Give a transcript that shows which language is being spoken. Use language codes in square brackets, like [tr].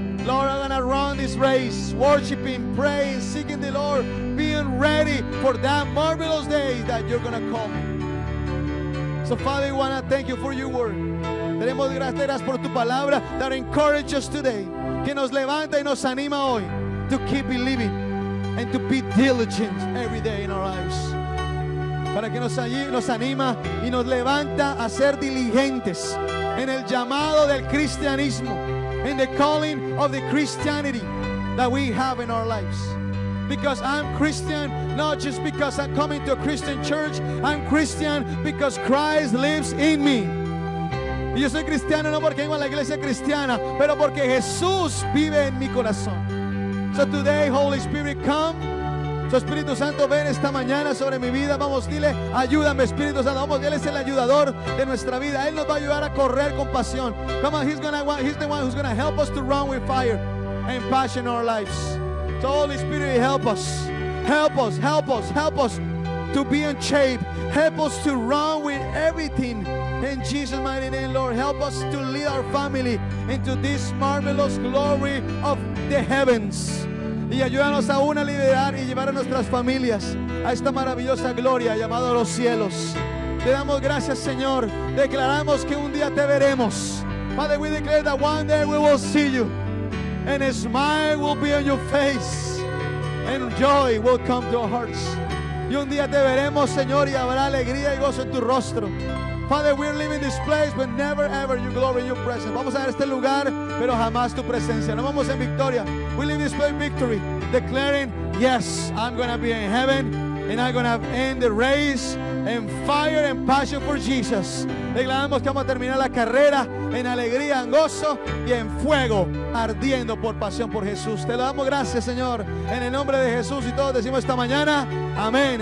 [en] Lord, I'm gonna run this race, worshiping, praying, seeking the Lord, being ready for that marvelous day that you're gonna come. So, Father, we wanna thank you for your word. [es] Tenemos gracias por tu palabra [en] that encourages us today, [es] que nos levanta y nos anima hoy [en] to keep believing and to be diligent every day in our lives. [es] Para que nos anima y nos levanta a ser diligentes en el llamado del cristianismo, [en] in the calling of the Christianity that we have in our lives. Because I'm Christian, not just because I'm coming to a Christian church, I'm Christian because Christ lives in me. [es] Y yo soy cristiano no porque vengo a la iglesia cristiana, pero porque Jesús vive en mi corazón. [en] So today, Holy Spirit, come. [es] So Espíritu Santo, ven esta mañana sobre mi vida. Vamos, dile, ayúdame, Espíritu Santo. Vamos, Él es el ayudador de nuestra vida. Él nos va a ayudar a correr con pasión. [en] Come on, he's the one who's going to help us to run with fire and passion in our lives. So Holy Spirit, help us. Help us, help us, help us to be in shape. Help us to run with everything. In Jesus' mighty name, Lord, help us to lead our family into this marvelous glory of the heavens. [es] Y ayúdanos aún a liderar y llevar a nuestras familias a esta maravillosa gloria llamada los cielos. Te damos gracias, Señor. Declaramos que un día te veremos. [en] Father, we declare that one day we will see you. And a smile will be on your face. And joy will come to our hearts. [es] Y un día te veremos, Señor, y habrá alegría y gozo en tu rostro. [en] Father, we're leaving this place, but never ever your glory, your presence. [es] Vamos a este lugar, pero jamás tu presencia. No vamos en victoria. [en] We leave this place in victory, declaring, yes, I'm going to be in heaven, and I'm going to end the race in fire and passion for Jesus. [es] Declaramos que vamos a terminar la carrera en alegría, en gozo y en fuego, ardiendo por pasión por Jesús. Te lo damos gracias, Señor, en el nombre de Jesús. Y todos decimos esta mañana, amén.